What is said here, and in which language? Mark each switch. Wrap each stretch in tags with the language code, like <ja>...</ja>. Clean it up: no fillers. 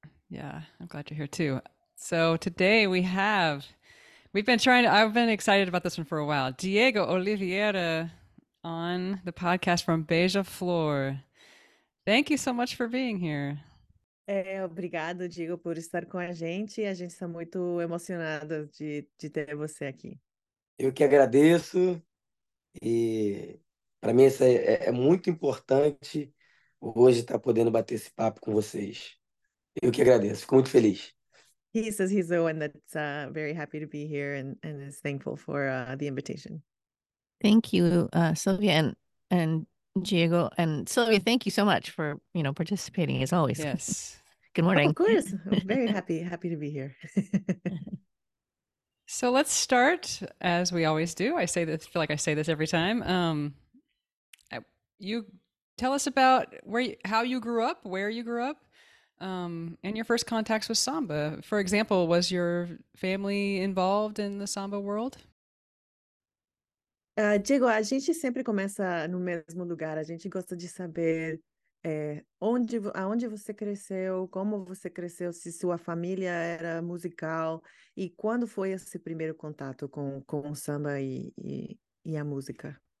<en>Yeah, I'm glad you're here too. So today I've been excited about this one for a while. Diego Oliveira on the podcast from Beija Flor. Thank you so much for being here.</en> <pt>Obrigado, Diego, por estar com a gente. A gente está muito emocionada de ter você aqui. Eu que agradeço. E para mim isso é muito importante hoje estar podendo bater esse papo com vocês. Eu que agradeço. Fico muito feliz.</pt> <en>He says he's the one that's very happy to be here and is thankful for the invitation. Thank you, Sylvia and Diego. And Sylvia, thank you so much for, you know, participating as always. Yes. Good morning. Of course. I'm very happy to be here. So let's start as we always do. I say this, feel like I say this every time. You tell us about how you grew up, and your first contacts with samba. For example, was your family involved in the samba world?</en> <pt>Diego, a gente sempre começa no mesmo lugar. A gente gosta de saber aonde você cresceu, como você cresceu, se sua família era musical e quando foi esse primeiro contato com o samba e a música.</pt>